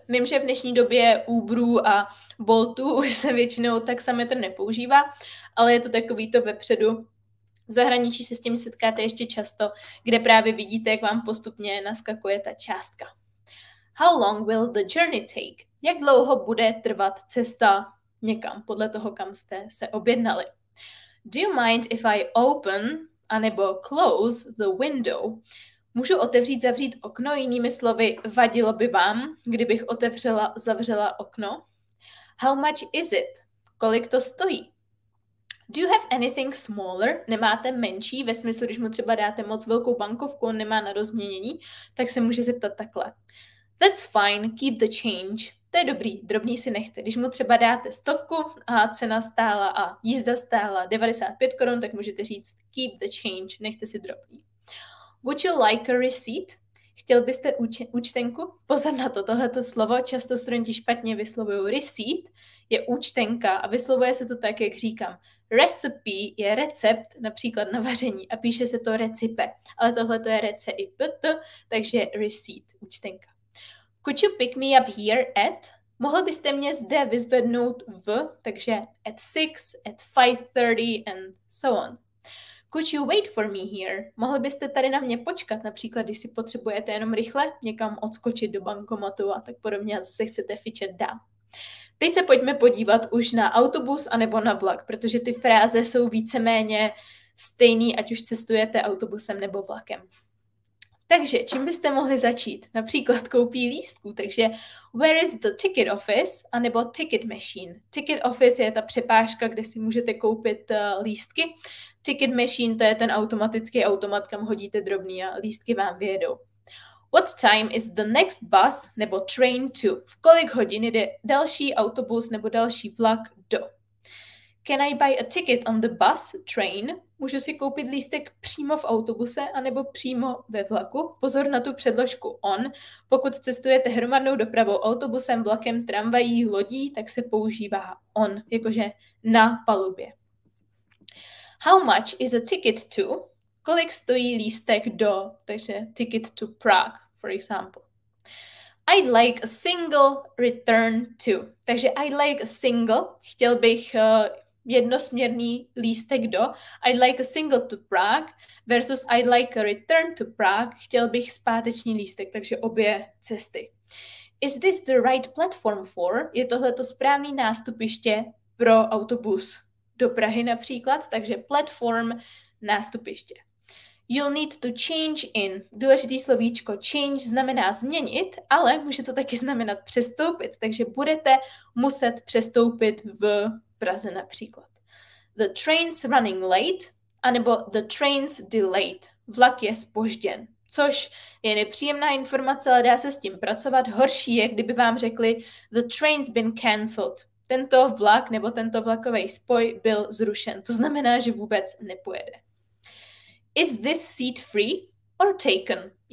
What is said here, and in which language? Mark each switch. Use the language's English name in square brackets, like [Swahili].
[Czech] Vím, že v dnešní době Uberu a Boltu už se většinou taxametr nepoužívá, ale je to takový to vepředu. V zahraničí se s tím setkáte ještě často, kde právě vidíte, jak vám postupně naskakuje ta částka. [English] How long will the journey take? [Czech] Jak dlouho bude trvat cesta někam, podle toho, kam jste se objednali? [English] Do you mind if I open [Czech] anebo [English] close the window? [Czech] Můžu otevřít, zavřít okno, jinými slovy, vadilo by vám, kdybych otevřela, zavřela okno. [English] How much is it? [Czech] Kolik to stojí? [English] Do you have anything smaller? [Czech] Nemáte menší, ve smyslu, když mu třeba dáte moc velkou bankovku, on nemá na rozměnění, tak se může zeptat takhle. [English] That's fine, keep the change. [Czech] To je dobrý, drobný si nechte. Když mu třeba dáte stovku a cena stála a jízda stála 95 korun, tak můžete říct [English] keep the change, [Czech] nechte si drobný. [English] Would you like a receipt? [Czech] Chtěl byste účtenku? Pozor na to, tohleto slovo často studenti špatně vyslovují. Receipt je účtenka a vyslovuje se to tak, jak říkám. Recipe je recept, například na vaření, a píše se to recipe. Ale tohleto je recept, takže receipt, účtenka. [English] Could you pick me up here at? [Czech] Mohl byste mě zde vyzvednout v, takže [English] at 6, at 5:30 and so on. Could you wait for me here? [Czech] Mohli byste tady na mě počkat, například když si potřebujete jenom rychle někam odskočit do bankomatu a tak podobně a zase chcete fičet dál. Teď se pojďme podívat už na autobus anebo na vlak, protože ty fráze jsou víceméně stejný, ať už cestujete autobusem nebo vlakem. Takže čím byste mohli začít? Například koupí lístku, takže [English] where is the ticket office, anebo ticket machine. [Czech] Ticket office je ta přepážka, kde si můžete koupit lístky. Ticket machine to je ten automatický automat, kam hodíte drobný a lístky vám vyjedou. [English] What time is the next bus, [Czech] nebo [English] train to? [Czech] V kolik hodin jde další autobus nebo další vlak do? [English] Can I buy a ticket on the bus, train? [Czech] Můžu si koupit lístek přímo v autobuse anebo přímo ve vlaku? Pozor na tu předložku on. Pokud cestujete hromadnou dopravou autobusem, vlakem, tramvají, lodí, tak se používá on, jakože na palubě. [English] How much is a ticket to? [Czech] Kolik stojí lístek do, takže [English] ticket to Prague, for example. I'd like a single return to. [Czech] Takže [English] I'd like a single, [Czech] chtěl bych jednosměrný lístek do. [English] I'd like a single to Prague versus I'd like a return to Prague. [Czech] Chtěl bych zpáteční lístek, takže obě cesty. [English] Is this the right platform for? [Czech] Je tohleto správný nástupiště pro autobus do Prahy například? Takže platform, nástupiště. [English] You'll need to change in. [Czech] Důležitý slovíčko change znamená změnit, ale může to taky znamenat přestoupit. Takže budete muset přestoupit v Praze například. [English] The train's running late, [Czech] anebo [English] the train's delayed. [Czech] Vlak je zpožděn, což je nepříjemná informace, ale dá se s tím pracovat. Horší je, kdyby vám řekli [English] the train's been cancelled. [Czech] Tento vlak nebo tento vlakový spoj byl zrušen. To znamená, že vůbec nepojede. [English] Is this seat free or taken?